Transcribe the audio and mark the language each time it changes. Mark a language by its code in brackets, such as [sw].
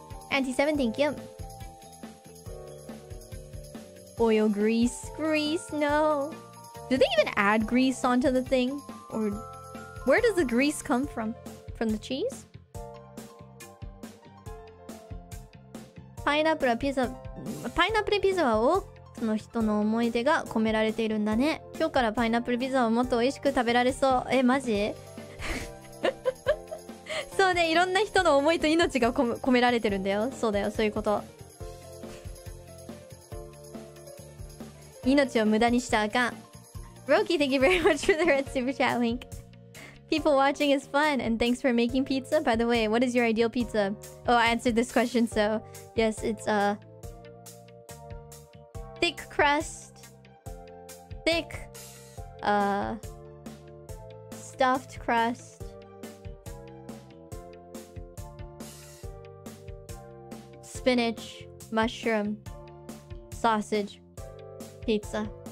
[en] Anti-7, thank you. Oil grease. Grease, no. Do they even add grease onto the thing? Or where does the grease come from? From the cheese? [ja] パイナップルピザ、パイナップルピザはその人の思い出が込められているんだね。今日からパイナップルピザをもっと美味しく食べられそう。え、マジ？そうね、いろんな人の思いと命が込められてるんだよ。そうだよ、そういうこと。命を無駄にしたらあかん。 [en] Roki, thank you very much for the red super chat link. People watching is fun, and thanks for making pizza. By the way, what is your ideal pizza? Oh, I answered this question, so yes, it's a thick crust, thick stuffed crust, spinach, mushroom, sausage, pizza.